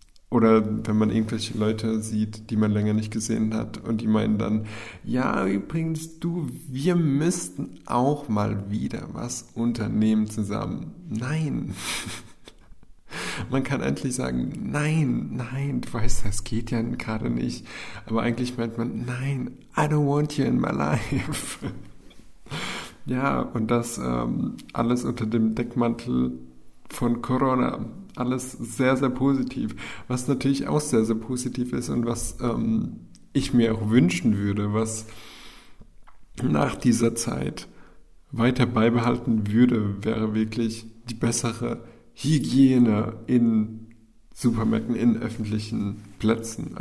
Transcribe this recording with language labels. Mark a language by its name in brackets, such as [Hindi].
[German] Oder wenn man irgendwelche Leute sieht, die man länger nicht gesehen hat und die meinen dann, ja übrigens, du, wir müssten auch mal wieder was unternehmen zusammen. Nein. Man kann endlich sagen, nein, nein, du weißt, das geht ja gerade nicht. Aber eigentlich meint man, nein, [English] I don't want you in my life. [German] Ja, und das alles unter dem Deckmantel von Corona. Alles sehr, sehr positiv. Was natürlich auch sehr, sehr positiv ist und was ich mir auch wünschen würde, was nach dieser Zeit weiter beibehalten würde, wäre wirklich die bessere Hygiene in Supermärkten, in öffentlichen Plätzen.